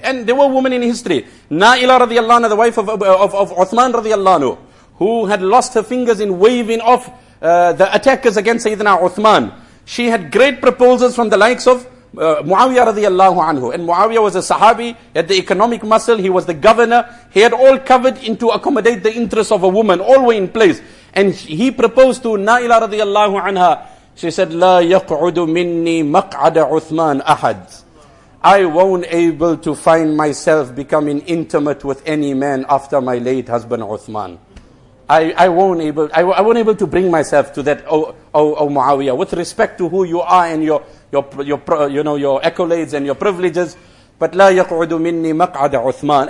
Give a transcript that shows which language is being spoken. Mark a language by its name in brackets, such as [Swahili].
[English] And there were women in history. Naila radiallahu anha, the wife of Uthman radiallahu anhu, who had lost her fingers in waving off the attackers against Sayyidina Uthman. She had great proposals from the likes of Muawiyah radiallahu anhu. And Muawiyah was a sahabi, had the economic muscle, he was the governor. He had all covered in to accommodate the interests of a woman, all were in place. And he proposed to Naila radiallahu anha. She said, [Arabic] لا يقعد مني مقعد عثمان أحد. [English] I won't able to find myself becoming intimate with any man after my late husband Uthman. I won't able to bring myself to that, oh Muawiyah, with respect to who you are and your accolades and your privileges, but [Arabic] لا يقعد مني مقعد عثمان.